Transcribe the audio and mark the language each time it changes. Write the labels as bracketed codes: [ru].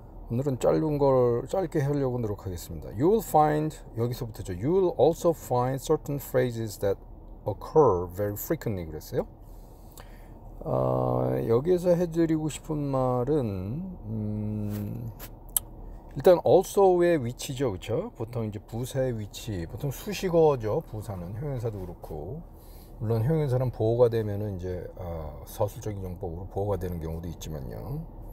[ko] 오늘은 짧은 걸 짧게 하려고 노력하겠습니다. [en] You will find 여기서부터죠. You will also find certain phrases that occur very frequently 그랬어요. [ko] 여기에서 해드리고 싶은 말은 일단 also의 위치죠, 그렇죠? 보통 이제 부사의 위치, 보통 수식어죠. 부사는 형용사도 그렇고, 물론 형용사는 보호가 되면은 이제 서술적인 용법으로 보호가 되는 경우도 있지만요.